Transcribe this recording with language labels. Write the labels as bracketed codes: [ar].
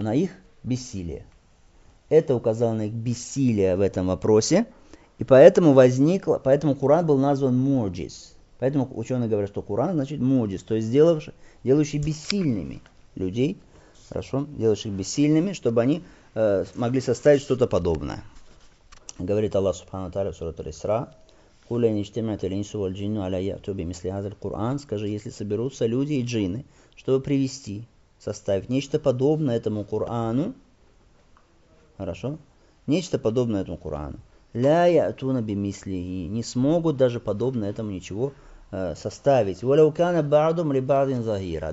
[ru] На их бессилие. Это указало на их бессилие в этом вопросе. И поэтому возникло, поэтому Куран был назван муджиз. Поэтому ученые говорят, что Куран значит муджиз, то есть делающий бессильными людей, хорошо, делающих бессильными, чтобы они смогли составить что-то подобное. Говорит Аллах Субхану ва Тааля в сурате Исра, [ar] قُلَ إِنِ اجْتَمَعَتِ الْإِنْسُ وَالْجِنُّ عَلَى يَأْتُوا بِمِثْلِ هَذَا الْقُرْآنِ. [ru] Скажи, если соберутся люди и джинны, чтобы привести, составить нечто подобное этому Корану, хорошо, нечто подобное этому Корану, [ar] لَا يَأْتُونَ بِمِثْلِهِ, [ru] не смогут даже подобное этому ничего составить. [ar] وَلَوْ كَانَ بَعْضُمْ لِبَعْضٍ ظَهِيرًا.